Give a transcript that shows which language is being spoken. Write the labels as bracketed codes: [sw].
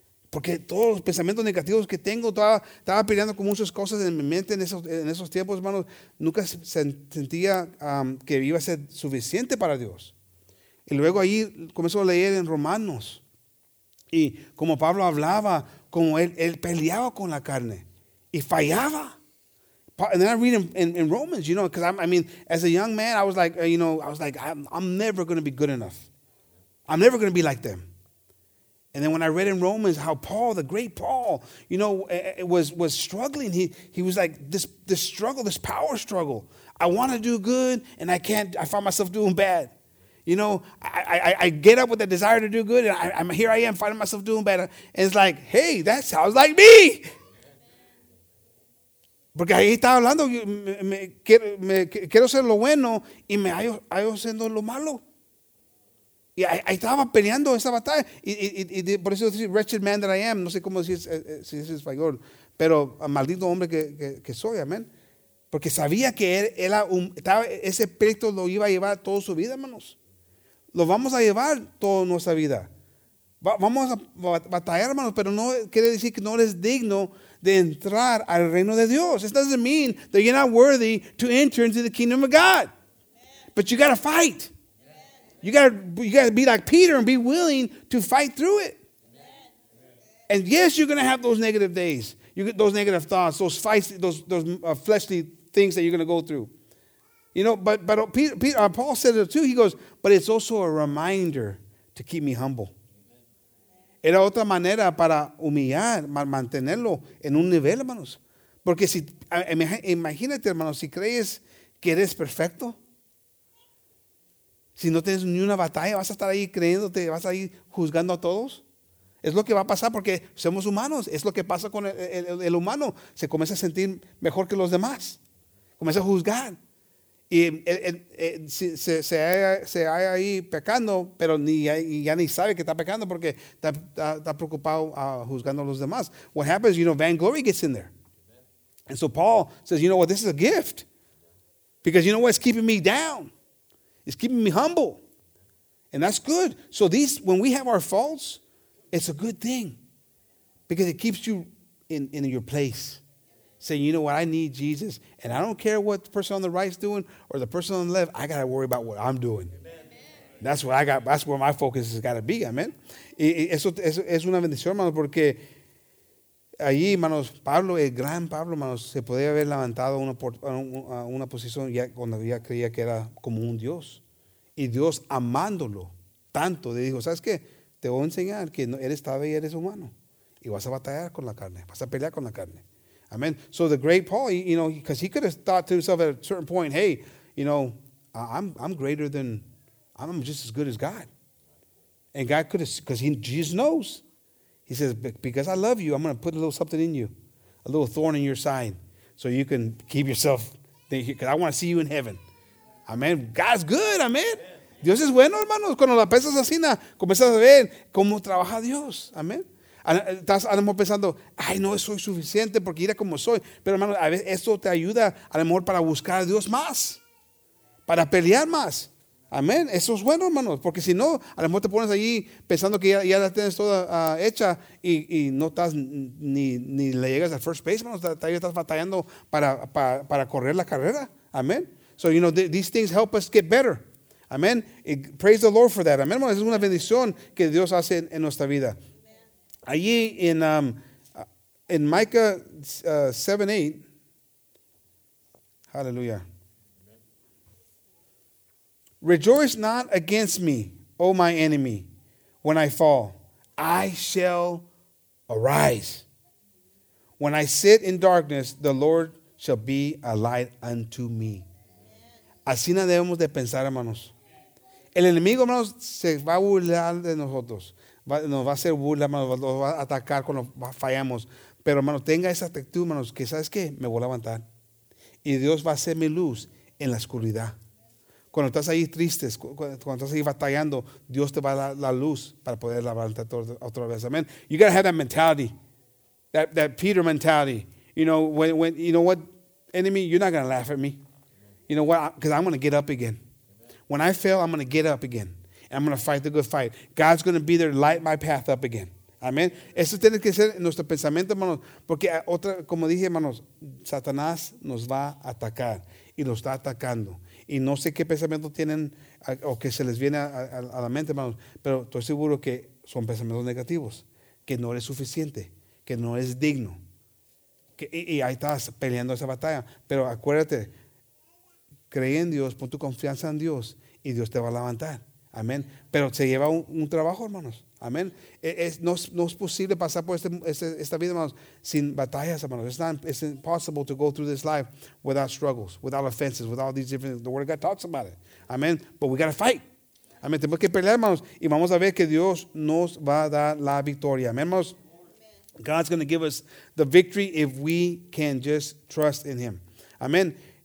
[es] Porque todos los pensamientos negativos que tengo, estaba peleando con muchas cosas en mi mente en esos tiempos, hermanos. Nunca sentía que iba a ser suficiente para Dios. Y luego ahí comenzó a leer en Romanos. Y como Pablo hablaba, como él peleaba con la carne y fallaba. [en] And then I read in Romans, you know, because as a young man, I was like, you know, I was like, I'm never going to be good enough. I'm never going to be like them. And then when I read in Romans how Paul, the great Paul, you know, was struggling. He was like, this struggle, this power struggle. I want to do good, and I can't. I find myself doing bad. You know, I get up with the desire to do good, and I'm here I am finding myself doing bad. And it's like, hey, that sounds like me. [es] Porque ahí está hablando, me quiero ser lo bueno, y me hallo siendo lo malo. Y ahí estaba peleando esa batalla. Y por eso dice, [en] wretched man that I am. [es] No sé cómo decir si es español. Pero maldito hombre que soy, amén. Porque sabía que ese pleito lo iba a llevar toda su vida, hermanos. Lo vamos a llevar toda nuestra vida. Vamos a batallar, hermanos. Pero no quiere decir que no eres digno de entrar al reino de Dios. [en] It doesn't mean that you're not worthy to enter into the kingdom of God. But you got to fight. You gotta be like Peter and be willing to fight through it. Amen. And yes, you're gonna have those negative days, you get those negative thoughts, those fights, those fleshly things that you're gonna go through. You know, but Peter, Paul said it too. He goes, but it's also a reminder to keep me humble. Amen. [es] Era otra manera para humillar, mantenerlo en un nivel, hermanos. Porque si imagínate, hermanos, si crees que eres perfecto. Si no tienes ni una batalla, vas a estar ahí creyéndote, vas a ir juzgando a todos. Es lo que va a pasar porque somos humanos. Es lo que pasa con el humano. Se comienza a sentir mejor que los demás. Comienza a juzgar. Y se hay ahí pecando, pero ya ni sabe que está pecando porque está preocupado juzgando a los demás. [en] What happens, you know, vanglory gets in there. And so Paul says, you know what, this is a gift. Because you know what, it's keeping me down. It's keeping me humble. And that's good. So these, when we have our faults, it's a good thing. Because it keeps you in your place. Saying, you know what, I need Jesus. And I don't care what the person on the right is doing or the person on the left. I got to worry about what I'm doing. Amen. That's what I got. That's where my focus has got to be. [es] Amen. Eso es una bendición, hermanos. Porque allí, hermanos, Pablo, el gran Pablo, hermanos, se podía haber levantado una posición ya cuando ya creía que era como un Dios. Y Dios, amándolo tanto, le dijo, ¿sabes qué? Te voy a enseñar que no, eres todavía eres humano. Y vas a batallar con la carne, vas a pelear con la carne. Amen. [en] So the great Paul, you know, because he could have thought to himself at a certain point, hey, you know, I'm greater than, I'm just as good as God. And God could have, because Jesus knows. He says, because I love you, I'm going to put a little something in you, a little thorn in your side, so you can keep yourself, because I want to see you in heaven. Amen. God's good, amen. [es] Dios es bueno, hermanos. Cuando la pesas así, comienzas a ver cómo trabaja Dios. Amen. Estás a lo mejor pensando, ay, no soy suficiente porque era como soy. Pero, hermanos, a veces esto te ayuda a lo mejor para buscar a Dios más, para pelear más. Amén. Eso es bueno, hermanos. Porque si no, a lo mejor te pones allí pensando que ya la tienes toda hecha y no estás ni le llegas al first base, hermanos. Todavía estás batallando para correr la carrera. Amén. [en] So, you know, these things help us get better. Amén. Praise the Lord for that. [es] Amén, hermanos. Es una bendición que Dios hace en nuestra vida. Allí en Micah 7:8. Hallelujah. [en] Rejoice not against me, O my enemy, when I fall. I shall arise. When I sit in darkness, the Lord shall be a light unto me. [es] Así no debemos de pensar, hermanos. El enemigo, hermanos, se va a burlar de nosotros. Nos va a hacer burla, hermanos. Nos va a atacar cuando fallamos. Pero, hermanos, tenga esa actitud, hermanos, que ¿sabes qué? Me voy a levantar. Y Dios va a ser mi luz en la oscuridad. Cuando estás ahí tristes, cuando estás ahí batallando, Dios te va a dar la luz para poder levantar otra vez. Amen. [en] You gotta have that mentality, that Peter mentality. You know, when you know what, enemy, you're not gonna laugh at me. You know what? Because I'm gonna get up again. When I fail, I'm gonna get up again, and I'm gonna fight the good fight. God's gonna be there to light my path up again. Amen. [es] Eso tiene que ser nuestro pensamiento, hermanos, porque otra, como dije, hermanos, Satanás nos va a atacar y lo está atacando. Y no sé qué pensamiento tienen o que se les viene a la mente, hermanos, pero estoy seguro que son pensamientos negativos, que no eres suficiente, que no eres digno. Y ahí estás peleando esa batalla. Pero acuérdate, cree en Dios, pon tu confianza en Dios y Dios te va a levantar. Amén. Pero se lleva un trabajo, hermanos. Amén. No es posible pasar por esta vida, hermanos, sin batallas, hermanos. [en] It's impossible to go through this life without struggles, without offenses, without these different things. The Word of God talks about it. [es] Amén. [en] But we got to fight. [es] Amén. Tenemos que pelear, hermanos. Y vamos a ver que Dios nos va a dar la victoria. Amén, hermanos. Amen. [en] God's going to give us the victory if we can just trust in Him. Amén.